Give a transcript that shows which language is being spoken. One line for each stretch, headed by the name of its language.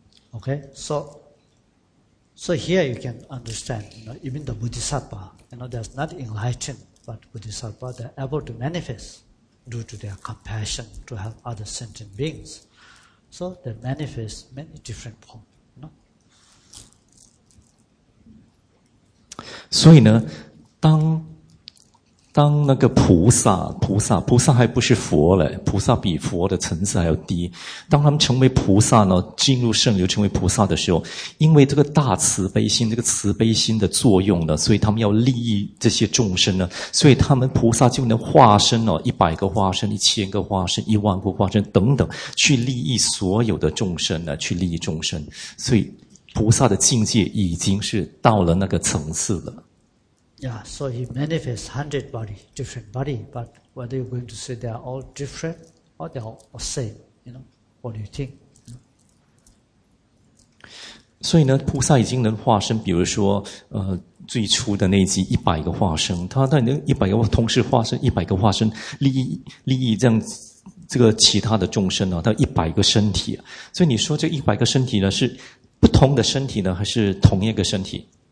English: Okay, so here you can understand, you know, even the Bodhisattva, you know, they're not enlightened, but Bodhisattva, they're able to manifest due to their compassion to help other sentient beings. So they manifest many different forms, you know.
Chinese: 所以呢，当那个菩萨还不是佛嘞，菩萨比佛的层次还要低。当他们成为菩萨呢，进入圣流成为菩萨的时候，因为这个大慈悲心，这个慈悲心的作用呢，所以他们要利益这些众生呢，所以他们菩萨就能化身哦，100个化身、1000个化身、10000个化身等等，去利益所有的众生呢，去利益众生。所以菩萨的境界已经是到了那个层次了。
English: Yeah, so he manifests 100 body, different body, but whether you're going to say they are all different or they are all same, you know, what do you think?
Chinese: 所以呢，菩萨已经能化身，比如说，最初的那集100个化身，他那能100个同时化身100个化身，利益这样子，这个其他的众生啊，他100个身体，所以你说这100个身体呢，是不同的身体呢，还是同一个身体？